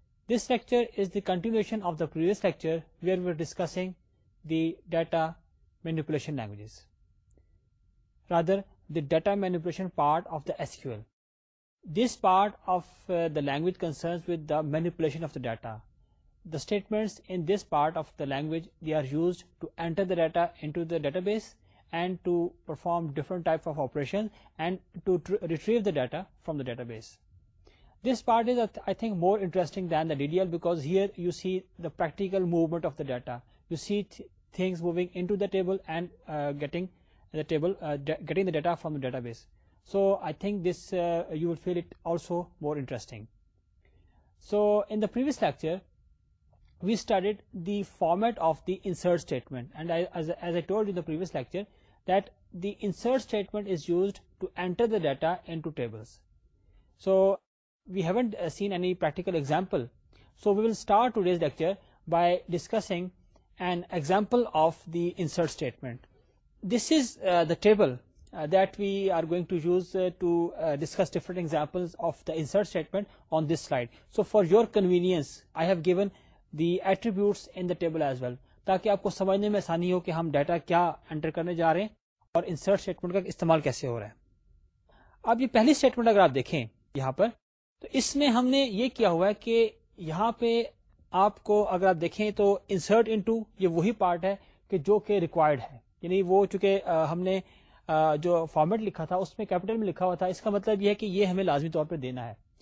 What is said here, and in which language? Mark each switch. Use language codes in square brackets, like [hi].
[en] This lecture is the continuation of the previous lecture where we are discussing the data manipulation languages, rather the data manipulation part of the SQL. This part of the language concerns with the manipulation of the data. The statements in this part of the language, they are used to enter the data into the database and to perform different type of operations and to retrieve the data from the database. This part is, I think, more interesting than the DDL, because here you see the practical movement of the data. You see things moving into the table and getting the data from the database. So I think this, you will feel it also more interesting. So in the previous lecture, we studied the format of the insert statement, and as I told you in the previous lecture, that the insert statement is used to enter the data into tables. So we haven't seen any practical example, so we will start today's lecture by discussing an example of the insert statement. This is the table that we are going to use to discuss different examples of the insert statement on this slide. So for your convenience, I have given the attributes in the table as well, تاکہ آپ کو سمجھنے میں آسانی ہو کہ ہم data کیا انٹر کرنے جا رہے ہیں اور انسرٹ اسٹیٹمنٹ کا استعمال کیسے ہو رہا ہے. [ur] اب یہ پہلی اسٹیٹمنٹ اگر آپ دیکھیں یہاں پر، تو اس میں ہم نے یہ کیا ہوا ہے کہ یہاں پہ آپ کو اگر آپ دیکھیں تو انسرٹ انٹو یہ وہی پارٹ ہے کہ جو کہ ریکوائرڈ ہے، یعنی وہ چونکہ ہم نے جو فارمیٹ لکھا تھا اس میں کیپیٹل میں لکھا ہوا تھا، اس کا مطلب یہ ہے کہ یہ ہمیں لازمی طور پہ دینا ہے.